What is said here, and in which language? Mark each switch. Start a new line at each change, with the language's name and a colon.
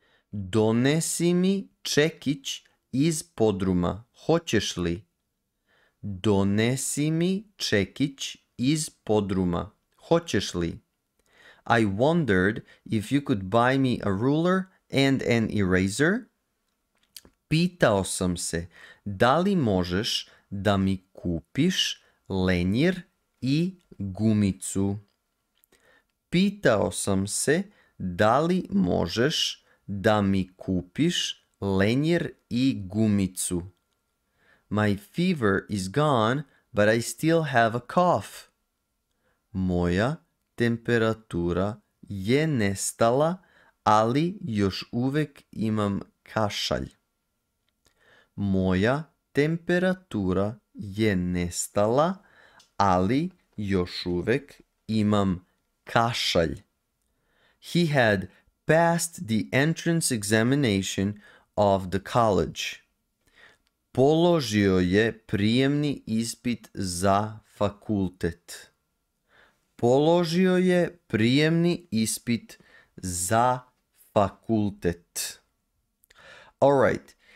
Serbian: Donesi mi čekić iz podruma, hoćeš li? Donesi mi čekić iz podruma, hoćeš li?
English: I wondered if you could buy me a ruler and an eraser.
Serbian: Pitao sam se, da li možeš da mi kupiš lenjir i gumicu? Pitao sam se, da li možeš da mi kupiš lenjir i gumicu?
English: My fever is gone, but I still have a cough.
Serbian: Moja temperatura je nestala, ali još uvek imam kašalj. Moja temperatura je nestala, ali još uvek imam kašalj.
English: He had passed the entrance examination of the college.
Serbian: Položio je prijemni ispit za fakultet. Položio je prijemni ispit za fakultet.
English: All right.